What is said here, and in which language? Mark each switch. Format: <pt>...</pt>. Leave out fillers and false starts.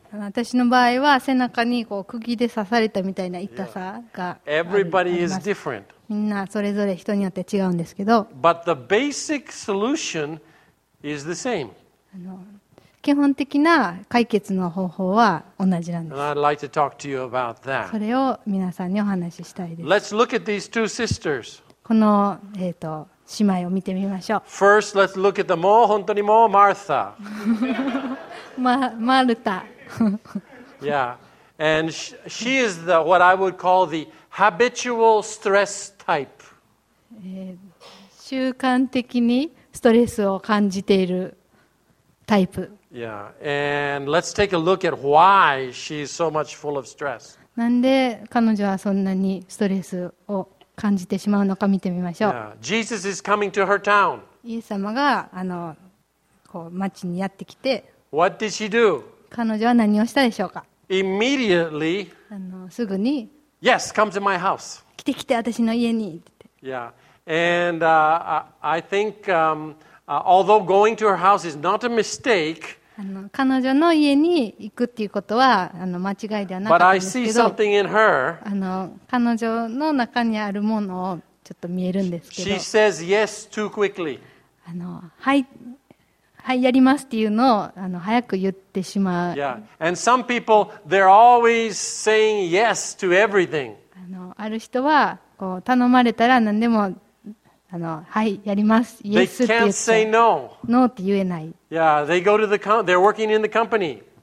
<ja>私の場合は背中にこう釘で刺されたみたいな痛さがあります。みんなそれぞれ人によって違うんですけど。</ja> <en>But the basic solution is the same.</en> <ja>基本的な解決の方法は同じなんです。</ja> <en>And I'd like to talk to you about that.</en> <ja>それを皆さんにお話ししたいです。</ja> <en>Let's look at these two sisters.</en> <ja>この、姉妹を見てみましょう。</ja> <en>First, let's look at the more,</en> <ja>本当にもう、</ja> <en>マルタ。</en> <ja>マルタ。</ja> <en>Yeah, and she is the what I would call the habitual stress type.</en> <ja>習慣的にストレスを感じているタイプ。</ja> <en>Yeah, and let's take a look at why she's so much full of stress.</en> <ja>なんで彼女はそんなにストレスを感じてしまうのか見てみましょう。</ja> <en>Yeah. Jesus is coming to her town.</en> <ja>イエス様がこう町にやってきて。</ja> <en>What did she do?</en> <ja>彼女は何をしたでしょうか。</ja> <en>Immediately,</en> <ja>すぐに、</ja> <en>Yes, come to my house.</en> <ja>来て来て私の家に。</ja> <en>Yeah, and I think although going to her house is not a mistake,</en> <ja>彼女の家に行くっていうことは間違いではなかったんですけど、</ja> <en>But I see something in her.</en> <ja>彼女の中にあるものをちょっと見えるんですけど、</ja> <en>She says yes too quickly.</en> <ja>はい。はい、やりますっていうのを早く言ってしまう。</ja> <en>Yeah. And some people, they're always saying yes to everything.</en> <ja>ある人はこう頼まれたら何でもはい、やります。イエスって言って。</ja> <en>They can't say no.</en> <ja>No って言えない。</ja> <en>Yeah, they go to the they're working in the company.</en>